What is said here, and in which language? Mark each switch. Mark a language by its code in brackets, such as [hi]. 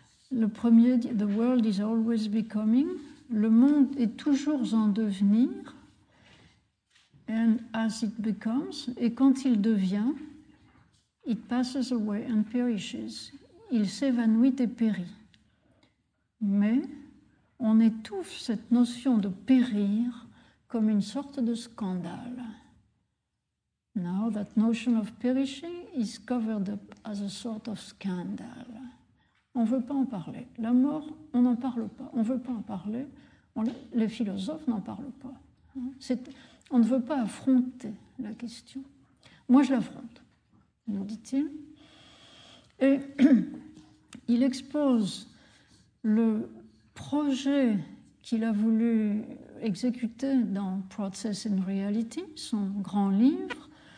[fr] Le premier dit « [en] The world is always becoming [fr] », le monde est toujours en devenir, [en] and as it becomes, [fr] et quand il devient, [en] it passes away and perishes, [fr] il s'évanouit et périt. Mais on étouffe cette notion de périr comme une sorte de scandale. [en] Now that notion of perishing is covered up as a sort of scandal. [fr] On ne veut pas en parler. La mort, on n'en parle pas. On ne veut pas en parler. Les philosophes n'en parlent pas. On ne veut pas affronter la question. Moi, je l'affronte, nous dit-il. Et il expose le projet qu'il a voulu exécuter dans Process and Reality, son grand livre.